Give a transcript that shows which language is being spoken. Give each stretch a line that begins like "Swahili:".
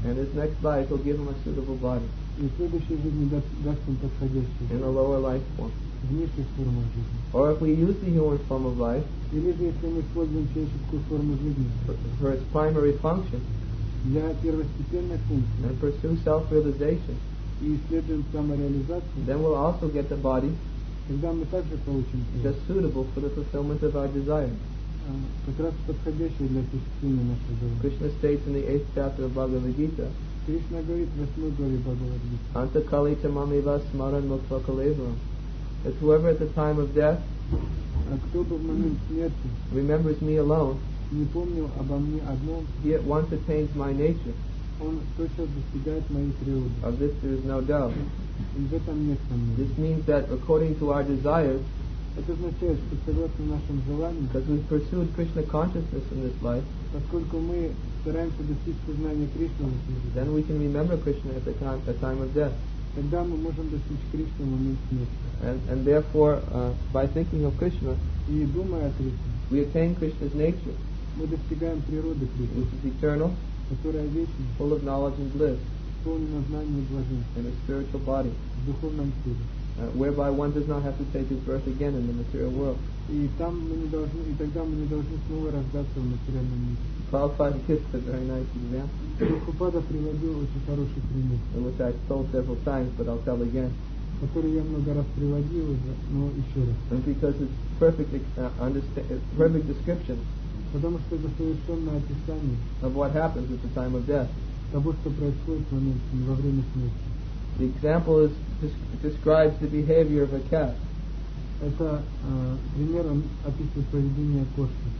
English: And his next life will give him a suitable body.
Russian: И в следующей жизни даст им подходящую.
English: In a lower life form.
Russian: В низшей форме жизни.
English: Or if we use the human form of life.
Russian: Или же если мы используем человеческую форму жизни.
English: For its primary function.
Russian: Для первостепенной функции.
English: And pursue self-realization.
Russian: И исследуем самореализацию.
English: Then we'll also get the body.
Russian: Тогда мы также получим.
English: Just suitable for the fulfillment of our desire.
Russian: Как раз подходящее для осуществления нашего желания.
English: Krishna states in the 8th chapter of Bhagavad Gita.
Russian: Krishna говорит в 8 главе Бхагавад Гиты.
Sanskrit: Anta kalita mamiva smaran mukha kalevam.
English: That whoever at the time of death.
Russian: А кто бы в момент смерти.
English: Remembers me alone.
Russian: Не помнил обо мне одном.
English: He at once attains my nature.
Russian: Он точно достигает моей природы.
English: Of this there is no doubt.
Russian: И в этом нет сомнений.
English: This means that according to our desires.
Russian: Это означает, что согласно нашим желаниям,
English: because we pursued Krishna consciousness in this life,
Russian: поскольку мы стараемся достичь сознания Кришны,
English: then we can remember Krishna at the time of death.
Russian: Тогда мы можем достичь Кришны в момент смерти.
English: And therefore, by thinking of Krishna,
Russian: и думая о Кришне,
English: we attain Krishna's nature,
Russian: мы достигаем природы Кришны,
English: which is eternal,
Russian: которая вечна,
English: full of knowledge and bliss,
Russian: исполнена знания и блаженства,
English: in a spiritual body,
Russian: в духовном теле.
English: Whereby one does not have to take his birth again in the material world.
Russian: И там мы не должны, и тогда мы не должны снова рождаться в материальном мире.
English: Prabhupada gives a very nice example.
Russian: Прабхупада приводил очень хороший пример.
English: Which I've told several times, but I'll tell again.
Russian: Который я много раз приводил, но еще раз.
English: And because it's perfect description.
Russian: Потому что это совершенное описание.
English: Of what happens at the time of death.
Russian: Того, что происходит в момент, во время смерти.
English: The example is describes the behavior of a cat.
Russian: Это пример описывает поведение кошки.